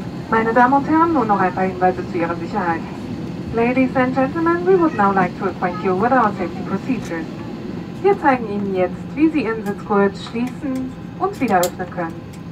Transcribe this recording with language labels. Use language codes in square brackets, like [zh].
[de] Meine Damen und Herren, nur noch ein paar Hinweise zu Ihrer Sicherheit. [en] Ladies and Gentlemen, we would now like to acquaint you with our safety procedures. [de] Wir zeigen Ihnen jetzt, wie Sie Ihren Sitzgurt schließen und wieder öffnen können.